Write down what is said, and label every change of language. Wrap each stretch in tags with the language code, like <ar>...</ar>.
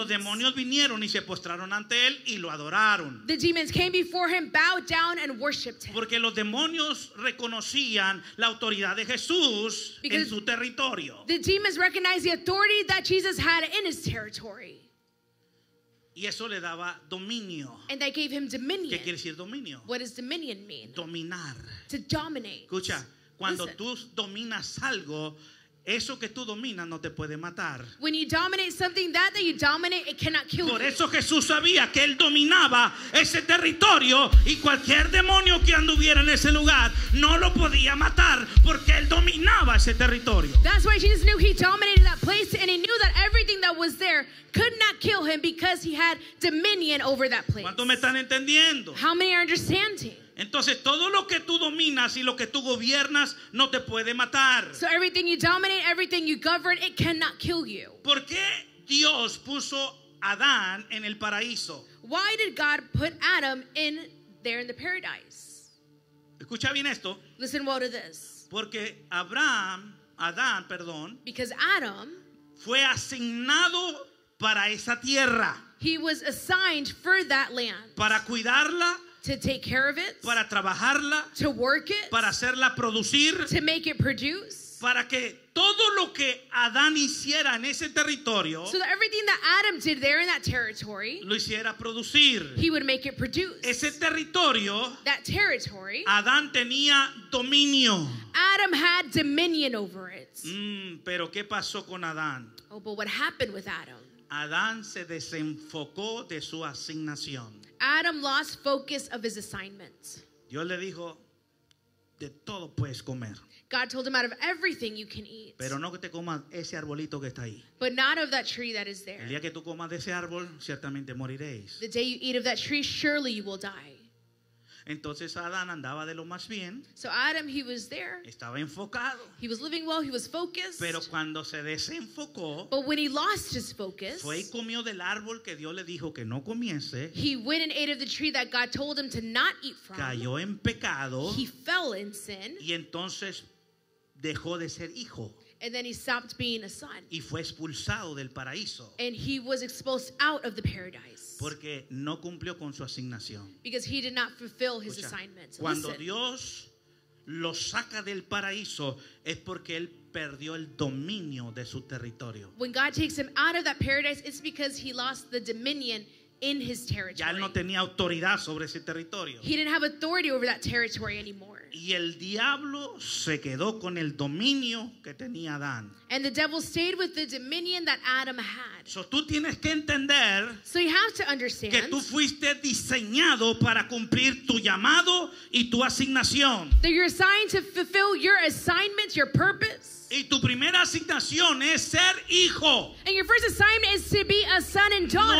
<es>Los demonios vinieron y se postraron ante él y lo adoraron.</es> <en>The demons came before him, bowed down and worshipped him.</en> <es>Porque los demonios reconocían la autoridad de Jesús</es> <en>because</en> <es>en su territorio.</es> <en>The demons recognized the authority that Jesus had in his territory.</en> <es>Y eso le daba dominio.</es> <en>And they gave him dominion.</en> <es>¿Qué quiere decir dominio?</es> <en>What does dominion mean?</en> <es>Dominar.</es> <en>To dominate.</en> <es>Escucha, cuando</es> <en>listen,</en> <es>tú dominas algo, eso que tú dominas no te puede matar.</es> <en>When you dominate something, that you dominate, it cannot kill you.</en> <es>Por eso Jesús sabía que él dominaba ese territorio y cualquier demonio que anduviera en ese lugar no lo podía matar porque él dominaba ese territorio.</es> <en>That's why Jesus knew he dominated that place and he knew that everything that was there could not kill him because he had dominion over that place.</en> <es>¿Cuántos me están entendiendo?</es> <en>How many are understanding?</en> <es>Entonces todo lo que tú dominas y lo que tú gobiernas no te puede matar.</es> <en>So everything you dominate, everything you govern, it cannot kill you.</en> <es>¿Por qué Dios puso a Adán en el paraíso?</es> <en>Why did God put Adam in there in the paradise?</en> <es>Escucha bien esto.</es> <en>Listen well to this.</en> <es>Porque Adán,</es> <en>because Adam</en> <es>fue asignado para esa tierra.</es> <en>He was assigned for that land.</en> <es>Para cuidarla.</es> <en>To take care of it.</en> <es>Para trabajarla.</es> <en>To work it.</en> <es>Para hacerla producir.</es> <en>To make it produce.</en> <es>Para que todo lo que Adán hiciera en ese territorio.</es> <en>So that everything that Adam did there in that territory.</en> <es>Lo hiciera producir.</es> <en>He would make it produce.</en> <es>Ese territorio.</es> <en>That territory.</en> <es>Adán tenía dominio.</es> <en>Adam had dominion over it.</en> <es>Pero ¿qué pasó con Adán?</es> <en>Oh, but what happened with Adam?</en> <es>Adán se desenfocó de su asignación.</es> <en>Adam lost focus of his assignment.</en> <es>Dios le dijo, de todo puedes comer.</es> <en>God told him out of everything you can eat.</en> <es>Pero no que te comas ese arbolito que está ahí.</es> <en>But not of that tree that is there.</en> <es>El día que tú comas de ese árbol, ciertamente moriréis.</es> <en>The day you eat of that tree, surely you will die.</en> <es>Entonces Adán andaba de lo más bien.</es> <en>So Adam, he was there.</en> <es>Estaba enfocado.</es> <en>He was living well, he was focused.</en> <es>Pero cuando se desenfocó,</es> <en>but when he lost his focus,</en> <es>fue y comió del árbol que Dios le dijo que no comiese.</es> <en>He went and ate of the tree that God told him to not eat from.</en> <es>Cayó en pecado.</es> <en>He fell in sin.</en> <es>Y entonces dejó de ser hijo.</es> <en>And then he stopped being a son.</en> <es>Y fue expulsado del paraíso.</es> <en>And he was expelled out of the paradise.</en> <es>Porque no cumplió con su asignación.</es> <en>Because he did not fulfill his assignment.</en> <es>Cuando</es> <en>listen,</en> <es>Dios lo saca del paraíso es porque él perdió el dominio de su territorio.</es> <en>When God takes him out of that paradise, it's because he lost the dominion in his territory.</en> <es>Ya él no tenía autoridad sobre ese territorio.</es> <en>He didn't have authority over that territory anymore.</en> <es>Y el diablo se quedó con el dominio que tenía Adán.</es> <en>And the devil stayed with the dominion that Adam had.</en> <es>So tú tienes que entender,</es> <en>so you have to understand,</en> <es>que tú fuiste diseñado para cumplir tu llamado y tu asignación.</es> <en>That you're assigned to fulfill your assignment, your purpose.</en> <es>Y tu primera asignación es ser hijo.</es> <en>And your first assignment is to be a son and daughter.</en>